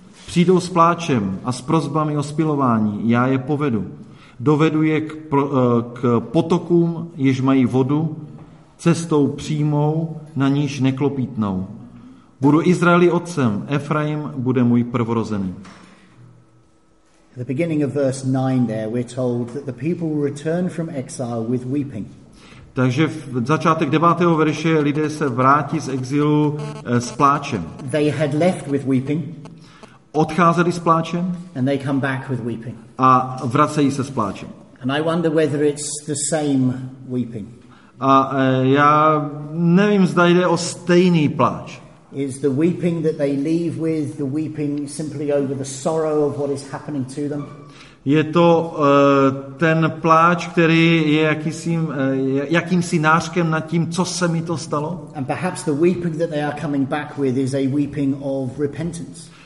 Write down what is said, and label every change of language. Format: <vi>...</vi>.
<cs>Přijdou s pláčem a s prosbami o spilování. Já je povedu. Dovedu je k potokům, jež mají vodu, cestou přímou, na níž neklopítnou. Budu Izraeli otcem, Efraim bude můj prvorozený.</cs> <en>At the beginning of verse 9 there, we're told that the people return from exile with weeping.</en> <cs>Takže v začátek 9. verše lidé se vrátí z exilu s pláčem.</cs> <en>They had left with weeping.</en> <cs>Odcházeli s pláčem.</cs> <en>And they come back with weeping.</en> <cs>A vracejí se s pláčem.</cs> <en>And I wonder whether it's the same weeping.</en> <cs>A já nevím, zda jde o stejný pláč.</cs> <en>Is the weeping that they leave with the weeping simply over the sorrow of what is happening to them?</en> <cs>Je to ten pláč, který je jakýmsi nářkem nad tím, co se mi to stalo?</cs> <en>And perhaps the weeping that they are coming back with is a weeping of repentance.</en>